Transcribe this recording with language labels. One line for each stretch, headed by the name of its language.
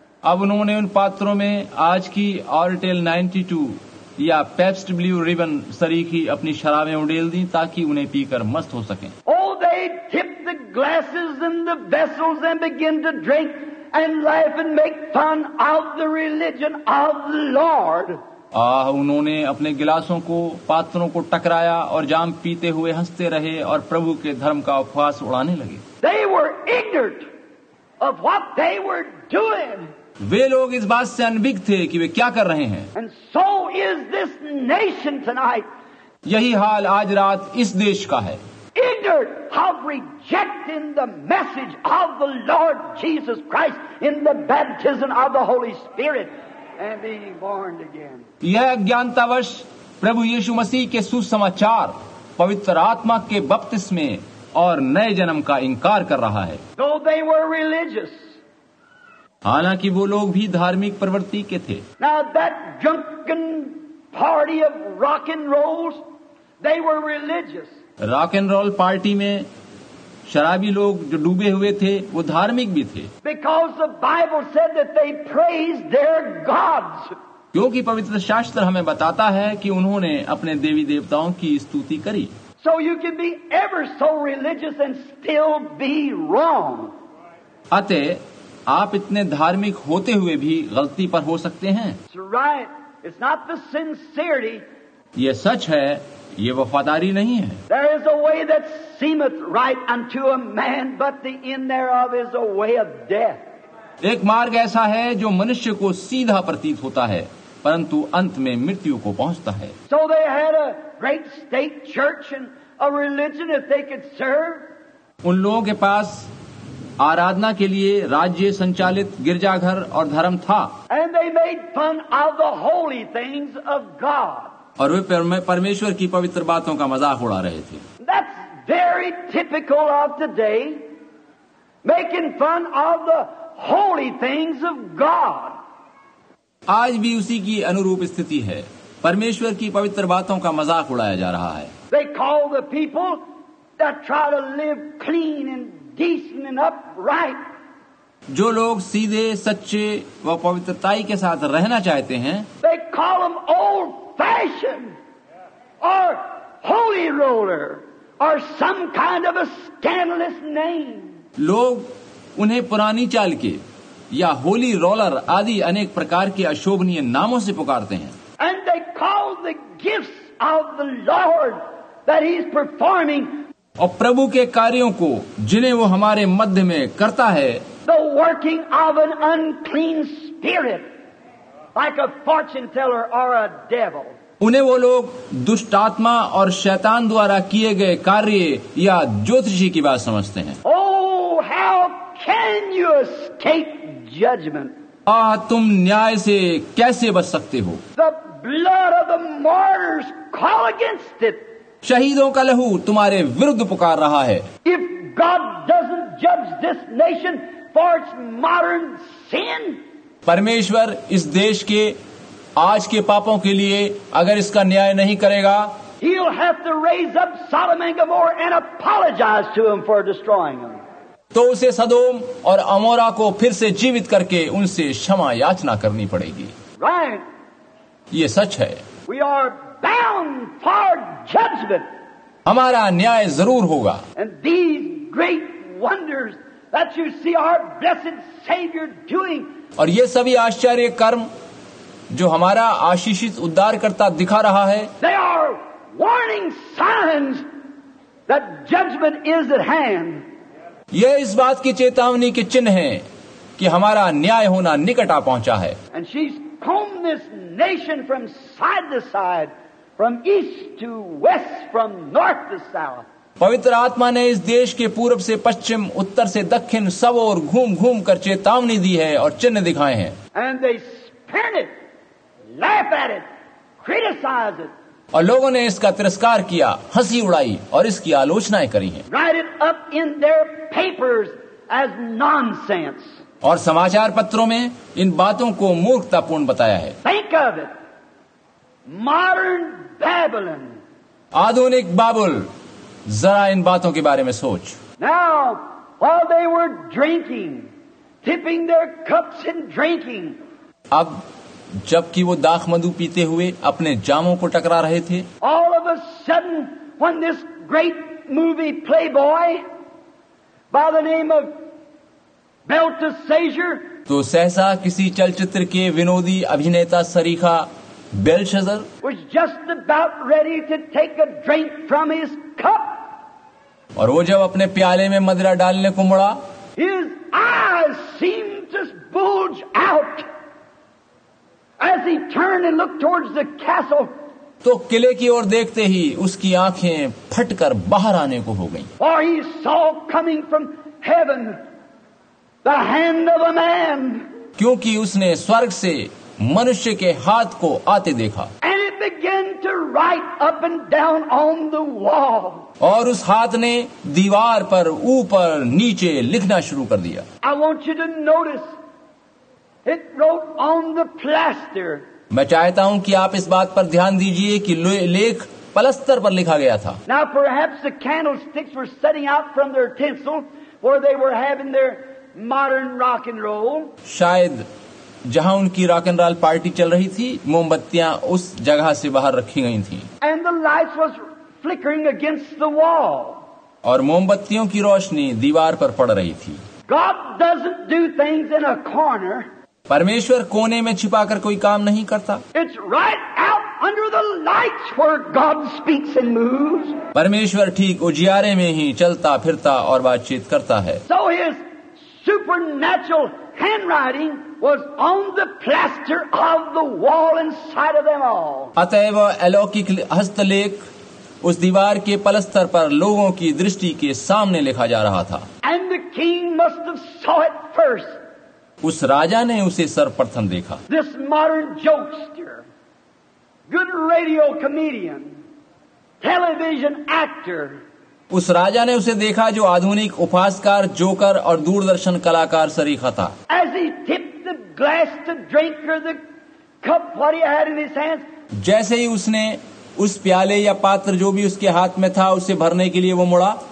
Hindi: अब उन्होंने उन पात्रों में आज की ऑरटेल 92 या पेप्स्ट ब्लू रिबन सरी की अपनी शराबें उड़ेल दी, ताकि उन्हें पीकर मस्त हो सकें.
English: Oh, they tipped the glasses and the vessels and began to drink and laugh and make fun of the religion of the Lord.
Hindi: उन्होंने अपने गिलासों को पात्रों को टकराया और जाम पीते हुए हंसते रहे और प्रभु के धर्म का उपहास उड़ाने लगे.
English: They were ignorant of what they were doing.
Hindi: वे लोग इस बात से अनभिज्ञ थे कि वे क्या कर रहे हैं.
English: And so is this nation tonight.
Hindi: यही हाल आज रात इस देश का है.
English: Ignorant of rejecting the message of the Lord Jesus Christ in the baptism of the Holy Spirit and being born again.
Hindi: यह अज्ञानतावश प्रभु यीशु मसीह के सुसमाचार, पवित्र आत्मा के बपतिस्मे और नए जन्म का इंकार कर रहा है.
English: So they were religious.
Hindi: हालांकि वो लोग भी धार्मिक प्रवृत्ति के थे.
English: Now that drunken party of rock and rolls, they were religious.
Hindi: Rock and role party में शराबी लोग जो डूबे हुए थे वो धार्मिक भी थे.
English: Because the Bible said that they praised their gods.
Hindi: क्योंकि पवित्र शास्त्र हमें बताता है कि उन्होंने अपने देवी देवताओं की स्तुति करी.
English: So you can be ever so religious and still be wrong.
Hindi: अतः आप इतने धार्मिक होते हुए भी गलती पर हो सकते हैं.
English: It's right. It's not the sincerity.
Hindi: ये सच है, ये वफादारी नहीं है.
English: There is a way that seemeth right unto a man, but the end thereof is a way of death.
Hindi: एक मार्ग ऐसा है जो मनुष्य को सीधा प्रतीत होता है, परंतु अंत में मृत्यु को पहुंचता है.
English: So they had a great state church and a religion if they could serve.
Hindi: उन लोगों के पास आराधना के लिए राज्य संचालित गिरजाघर और धर्म था.
English: And they made fun of the holy things of God.
Hindi: और वे परमेश्वर की पवित्र बातों का मजाक उड़ा रहे थे.
English: That's very typical of today, making fun of the holy things of God.
Hindi: आज भी उसी की अनुरूप स्थिति है, परमेश्वर की पवित्र बातों का मजाक उड़ाया जा रहा है.
English: They call the people that try to live clean and decent and upright.
Hindi: जो लोग सीधे, सच्चे व पवित्रताई के साथ रहना चाहते हैं,
English: they call them old fashioned or holy roller or some kind of a scandalous name.
Hindi: लोग उन्हें पुरानी चाल के या होली रोलर आदि अनेक प्रकार के अशोभनीय नामों से पुकारते हैं.
English: And they call the gifts of the Lord that he's performing.
Hindi: और प्रभु के कार्यों को जिन्हें वो हमारे मध्य में करता है.
English: The working of an unclean spirit. Like a fortune teller or a devil.
Hindi: उन्हें वो लोग दुष्ट आत्मा और शैतान द्वारा किए गए कार्य या ज्योतिषी की बात समझते हैं.
English: Oh, how can you escape judgment?
Hindi: तुम न्याय से कैसे बच सकते हो?
English: The blood of the martyrs call against it.
Hindi: शहीदों का लहू तुम्हारे विरुद्ध पुकार रहा है.
English: If God doesn't judge this nation for its modern sin.
Hindi: परमेश्वर इस देश के आज के पापों के लिए अगर इसका न्याय नहीं करेगा,
English: He'll have to raise up Sodom and Gomorrah and apologize to him for destroying them.
Hindi: तो उसे सदोम और अमोरा को फिर से जीवित करके उनसे क्षमा याचना करनी पड़ेगी.
English: Right.
Hindi: ये सच है.
English: We are bound for judgment.
Hindi: हमारा न्याय जरूर होगा.
English: And these great wonders that you see our blessed Savior doing.
Hindi: और ये सभी आश्चर्य कर्म जो हमारा आशीषित उद्धारकर्ता दिखा रहा है,
English: they are warning signs that judgment is at hand.
Hindi: ये इस बात की चेतावनी के चिन्ह हैं कि हमारा न्याय होना निकट आ पहुंचा है.
English: And she's combed this nation from side to side, from east to west, from north to south.
Hindi: पवित्र आत्मा ने इस देश के पूर्व से पश्चिम, उत्तर से दक्षिण, सब ओर घूम घूम कर चेतावनी दी है और चिन्ह दिखाए हैं.
English: And they spit it, laugh at it, criticize it.
Hindi: और लोगों ने इसका तिरस्कार किया, हंसी उड़ाई और इसकी आलोचनाएं करी हैं.
English: Write it up in their papers as nonsense.
Hindi: और समाचार पत्रों में इन बातों को मूर्खतापूर्ण बताया है.
English: Think of it. Modern Babylon.
Hindi: आधुनिक बाबुल, जरा इन बातों के बारे में सोच.
English: Now, while they were drinking, tipping their cups and drinking.
Hindi: अब जबकि वो दाख मधु पीते हुए अपने जामों को टकरा रहे थे.
English: All of a sudden, when this great movie playboy by the name of Belteshazzar.
Hindi: तो सहसा किसी चलचित्र के विनोदी अभिनेता सरीखा बेलशज़र.
English: Was just about ready to take a drink from his cup.
Hindi: और वो जब अपने प्याले में मदिरा डालने को मुड़ा,
English: His eyes seemed to bulge out as he turned and looked towards the castle.
Hindi: तो किले की ओर देखते ही उसकी आंखें फटकर बाहर आने को हो गईं.
English: For he saw coming from heaven the hand of a man.
Hindi: क्योंकि उसने स्वर्ग से मनुष्य के हाथ को आते देखा.
English: And it began to write up and down on the wall.
Hindi: और उस हाथ ने दीवार पर ऊपर नीचे लिखना शुरू कर दिया.
English: I want you to notice it wrote on the plaster.
Hindi: मैं चाहता हूं कि आप इस बात पर ध्यान दीजिए कि लेख पलस्तर पर लिखा गया था.
English: Now perhaps the candlesticks were setting out from their tinsel where they were having their modern rock and roll.
Hindi: शायद जहां उनकी रॉक एंड रोल पार्टी चल रही थी, मोमबत्तियां उस जगह से बाहर रखी गई थीं.
English: And the lights was flickering against the wall.
Hindi: और मोमबत्तियों की रोशनी दीवार पर पड़ रही थी.
English: God doesn't do things in a corner.
Hindi: परमेश्वर कोने में छिपाकर कोई काम नहीं करता.
English: It's right out under the lights where God speaks and moves.
Hindi: परमेश्वर ठीक उजियारे में ही चलता फिरता और बातचीत करता है.
English: So his supernatural handwriting was on the plaster of the wall inside of them all.
Hindi: अतएव अलौकिक हस्तलेख उस दीवार के पलस्तर पर लोगों की दृष्टि के सामने लिखा जा रहा था.
English: And the king must have saw it first.
Hindi: उस राजा ने उसे सर्वप्रथम देखा.
English: This modern jokester, good radio comedian, television actor.
Hindi: उस राजा ने उसे देखा जो आधुनिक उपहासकार, जोकर और दूरदर्शन कलाकार सरीखा था.
English: As he tipped the glass to drink or the cup what he had in his hands.
Hindi: जैसे ही उसने उस प्याले या पात्र जो भी उसके हाथ में था उसे भरने के लिए वो मुड़ा.